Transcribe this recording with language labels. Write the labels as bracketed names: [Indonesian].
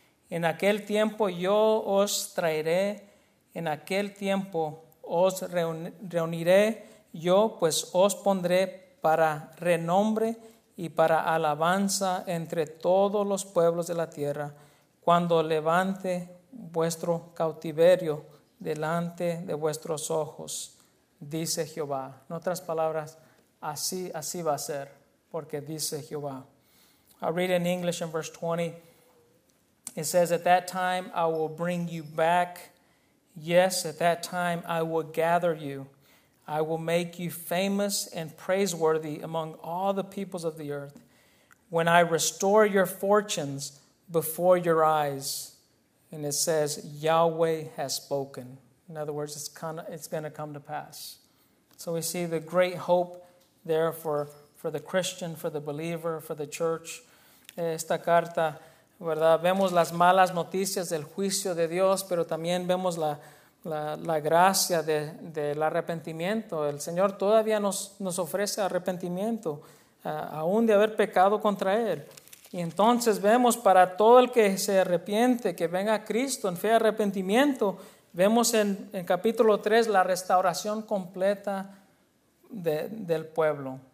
[Spanish] En aquel tiempo yo os traeré, en aquel tiempo os reuniré yo, pues os pondré para renombre y para alabanza entre todos los pueblos de la tierra, cuando levante vuestro cautiverio delante de vuestros ojos, dice Jehová. En otras palabras, así va a ser, porque dice Jehová. [English] I'll read in English in verse 20. It says, at that time I will bring you back. Yes, at that time I will gather you. I will make you famous and praiseworthy among all the peoples of the earth. When I restore your fortunes before your eyes. And it says, Yahweh has spoken. In other words, it's going to come to pass. So we see the great hope there for the Christian, for the believer, for the church. [Spanish] Esta carta, ¿verdad? Vemos las malas noticias del juicio de Dios, pero también vemos la gracia del arrepentimiento. El Señor todavía nos ofrece arrepentimiento, aún de haber pecado contra Él. Y entonces vemos para todo el que se arrepiente, que venga a Cristo en fe y arrepentimiento, vemos en capítulo 3 la restauración completa del pueblo.